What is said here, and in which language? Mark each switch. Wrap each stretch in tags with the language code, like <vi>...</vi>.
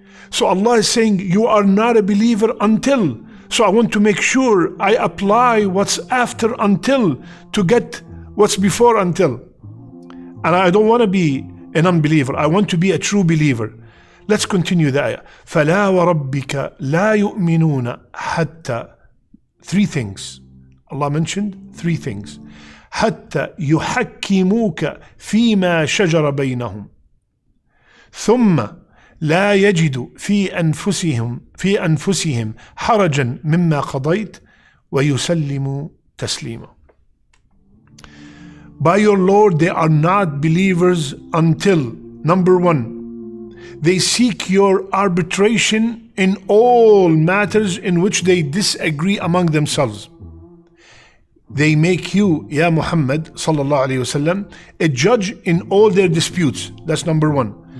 <en>So Allah is saying, you are not a believer until. So I want to make sure I apply what's after until to get what's before until. And I don't want to be an unbeliever. I want to be a true believer. Let's continue the ayah.</en> <ar>فَلَا وَرَبِّكَ لَا يُؤْمِنُونَ حَتَّى.</ar> <en>Three things. Allah mentioned three things.</en> <ar>حتى يحكموك فيما شجر بينهم ثم لا يجدوا في أنفسهم حرجا مما قضيت ويسلموا تسليما.</ar> <en>By your Lord, they are not believers until, number one, they seek your arbitration in all matters in which they disagree among themselves. They make you, Ya Muhammad sallallahu alayhi wa sallam, a judge in all their disputes. That's number one.</en>